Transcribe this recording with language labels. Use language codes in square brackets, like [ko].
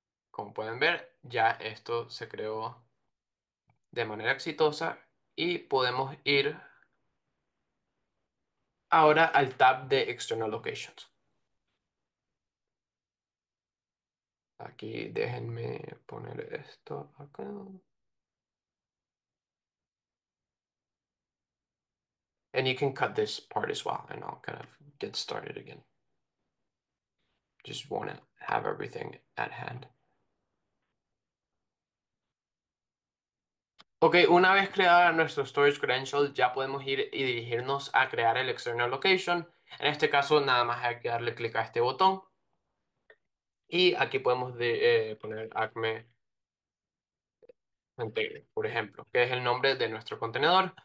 [es] Como pueden ver, ya esto se creó de manera exitosa y podemos ir ahora al tab de External Locations. Aquí déjenme poner esto acá. [en] And you can cut this part as well, and I'll kind of get started again. Just want to have everything at hand. [es] Ok, una vez creada nuestro Storage Credential, ya podemos ir y dirigirnos a crear el External Location. En este caso, nada más hay que darle clic a este botón. Y aquí podemos poner Acme Container, por ejemplo, que es el nombre de nuestro contenedor.